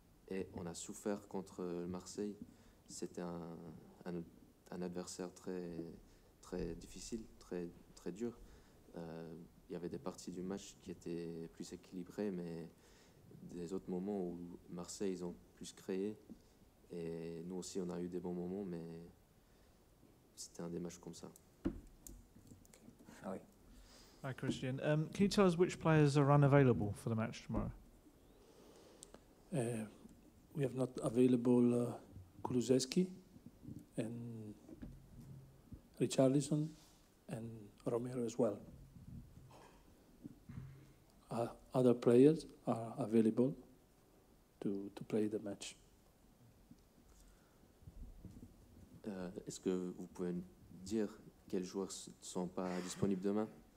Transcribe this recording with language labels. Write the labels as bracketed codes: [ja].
[fr] Et on a souffert contre Marseille. C'était un adversaire très, très difficile, très, très dur. Il y avait des parties du match qui étaient plus équilibrées, mais des autres moments où Marseille, ils ont plus créé. Et nous aussi, on a eu des bons moments, mais c'était un des matchs comme ça. Ah oui. [en] Hi, Christian. Can you tell us which players are unavailable for the match tomorrow? We have not available Kulusevski and Richarlison and Romero as well. Other players are available to play the match. [fr] Est-ce que vous pouvez dire quels joueurs ne sont pas disponibles demain?